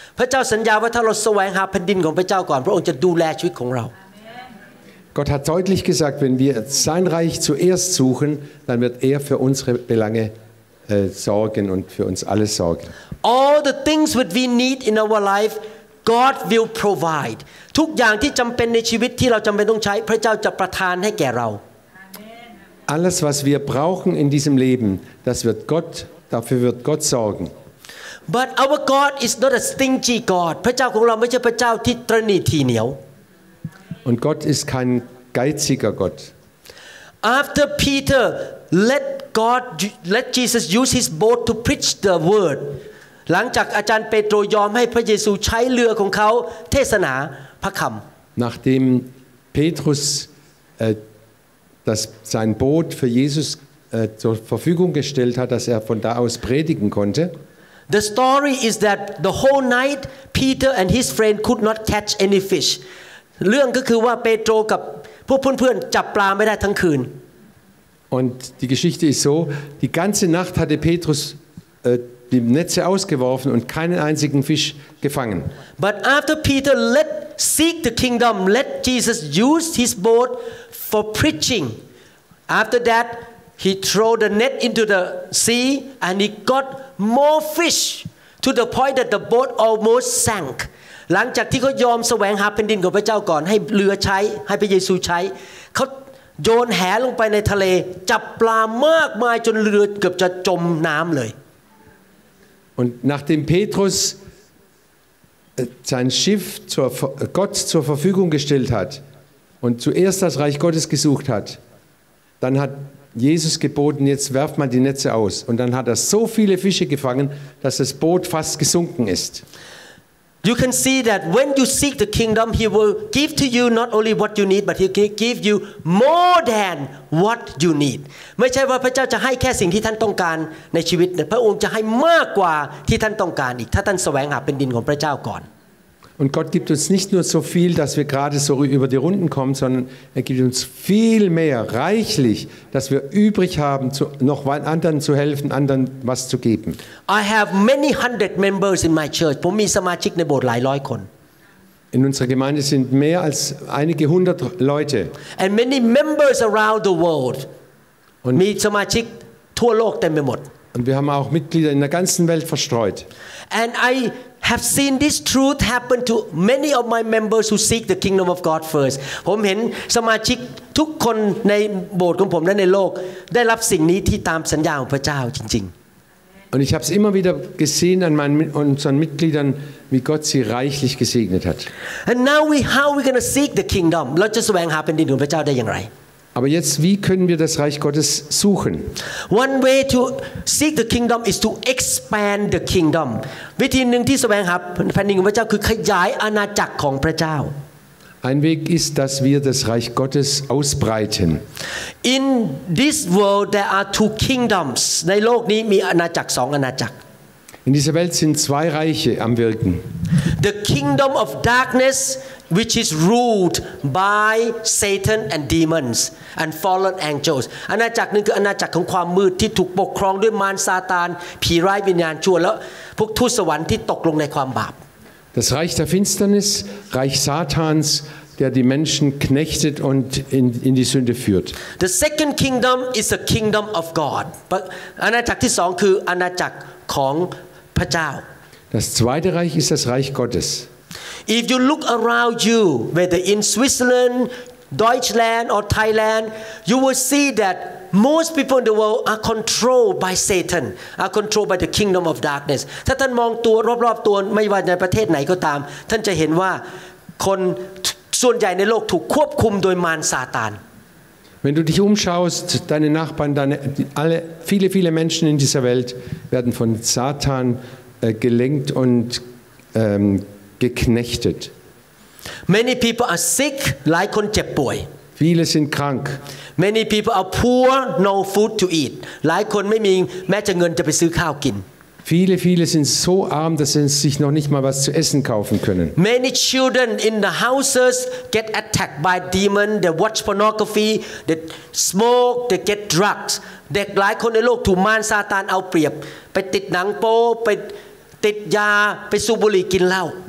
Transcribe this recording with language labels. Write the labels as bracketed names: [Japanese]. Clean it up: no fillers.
[Thai] พระเจ้าสัญญาว่าถ้าเราแสวงหาแผ่นดินของพระเจ้าก่อนพระองค์จะดูแลชีวิตของเรา [German] Gott hat deutlich gesagt, wenn wir sein Reich zuerst suchen, dann wird er für unsere Belange sorgen und für uns alle sorgen. [English] All the things that we need in our life, God will provide. [Thai] ทุกอย่างที่จําเป็นในชีวิตที่เราจําเป็นต้องใช้พระเจ้าจะประทานให้แก่เรา [German] Alles was wir brauchen in diesem Leben, das wird Gott, dafür wird Gott sorgen. [English] But our God is not a stingy God. [Thai] พระเจ้าของเราไม่ใช่พระเจ้าที่ตรณีทีเหนียว [German] Und Gott ist kein geiziger Gott. [English] After Peter let God let Jesus use his boat to preach the word, [Thai] หลังจากอาจารย์เปโตรยอมให้พระเยซูใช้เรือของเขาเทศนาพระคำ [German] Nachdem Petrus das sein Boot für Jesus zur Verfügung gestellt hat, dass er von da aus predigen konnte. [English] The story is that the whole night Peter and his friend could not catch any fish. [Thai] เรื่องก็คือว่าเปโตรกับพวกเพื่อนๆจับปลาไม่ได้ทั้งคืน [German] Und die Geschichte ist so, die ganze Nacht hatte Petrus die Netze ausgeworfen und keinen einzigen Fisch gefangen. [English] But after Peter let seek the kingdom, let Jesus use his boat for preaching. After that, he throw the net into the sea and he got more fish to the point that the boat almost sank. [Thai] หลังจากที่เขายอมแสวงหาแผ่นดินของพระเจ้าก่อนให้เรือใช้ให้พระเยซูใช้เขาโยนแหลงไปในทะเลจับปลามากมายจนเรือเกือบจะจมน้ำเลย [German] Und nachdem Petrus sein Schiff zur Gott zur Verfügung gestellt hat und zuerst das Reich Gottes gesucht hat, dann hat Jesus geboten, jetzt werft mal die Netze aus. Und dann hat er so viele Fische gefangen, dass das Boot fast gesunken ist. [English] You can see that when you seek the kingdom, he will give to you not only what you need, but he can give you more than what you need. [Thai] ไม่ใช่ว่าพระเจ้าจะให้แค่สิ่งที่ท่านต้องการในชีวิตแต่พระองค์จะให้มากกว่าที่ท่านต้องการอีกถ้าท่านแสวงหาแผ่นดินของพระเจ้าก่อน [German] Und Gott gibt uns nicht nur so viel, dass wir gerade so über die Runden kommen, sondern er gibt uns viel mehr, reichlich, dass wir übrig haben, noch anderen zu helfen, anderen was zu geben. [English] I have many hundred members in my church. [Thai] ผมมีสมาชิกในโบสถ์หลายร้อยคน [German] In unserer Gemeinde sind mehr als einige hundert Leute. [English] And many members around the world. [Thai] มีสมาชิกทั่วโลกเต็มไปหมด [German] Und wir haben auch Mitglieder in der ganzen Welt verstreut. [English] And I have seen this truth happen to many of my members who seek the kingdom of God first. [Thai] ผมเห็นสมาชิกทุกคนในโบสถ์ของผมและในโลกได้รับสิ่งนี้ที่ตามสัญญาของพระเจ้าจริง [German] ๆ Und ich habe es immer wieder gesehen an unseren Mitgliedern, wie Gott sie reichlich gesegnet hat. [English] And now how are we going to seek the kingdom? [Thai] เราจะแสวงหาแผ่นดินของพระเจ้าได้อย่างไร [German] Aber jetzt, wie können wir das Reich Gottes suchen? [English] One way to seek the kingdom is to expand the kingdom. [Thai] วิธีหนึ่งที่แสวงหาแผ่นดินของพระเจ้าคือขยายอาณาจักรของพระเจ้า [German] Ein Weg ist, dass wir das Reich Gottes ausbreiten. [English] In this world there are two kingdoms. [Thai] ในโลกนี้มีอาณาจักร2อาณาจักร [German] In dieser Welt sind zwei Reiche am wirken. [English] The kingdom of darknessWhich is ruled by Satan and demons and fallen angels. [Thai] อาณาจักรนึงคืออาณาจักรของความมืดที่ถูกปกครองด้วยมารซาตานผีร้ายวิญญาณชั่วแล้วพวกทูตสวรรค์ที่ตกลงในความบาป [German] Das Reich der Finsternis, Reich Satans, der die Menschen knechtet und in die Sünde führt. [English] The second kingdom is the kingdom of God. [Thai] อาณาจักรที่สองคืออาณาจักรของพระเจ้า [German] Das zweite Reich ist das Reich Gottes. [English] If you look around you, whether in Switzerland, Deutschland, or Thailand, you will see that most people in the world are controlled by Satan, are controlled by the kingdom of darkness. [Thai] ถ้าท่านมองตัวรอบๆตัวไม่ว่าในประเทศไหนก็ตามท่านจะเห็นว่าคนส่วนใหญ่ในโลกถูกควบคุมโดยมารซาตาน [German] Wenn du dich umschaust, deine Nachbarn, deine alle viele viele Menschen in dieser Welt werden von Satan gelenkt undgeknechtet. [English] Many people are sick, like [Thai] คนเจ็บป่วย [German] Viele sind krank. [English] Many people are poor, no food to eat. [Thai] หลายคนไม่มีแม้จะเงินจะไปซื้อข้าวกิน [German] Viele, viele sind so arm, dass sie sich noch nicht mal was zu essen kaufen können. [English] Many children in the houses get attacked by demons. They watch pornography, they smoke, they get drugs. [Thai] เด็กหลายคนในโลกถูกมารซาตานเอาเปรียบไปติดหนังโป๊ไปติดยาไปสูบบุหรี่กินเหล้า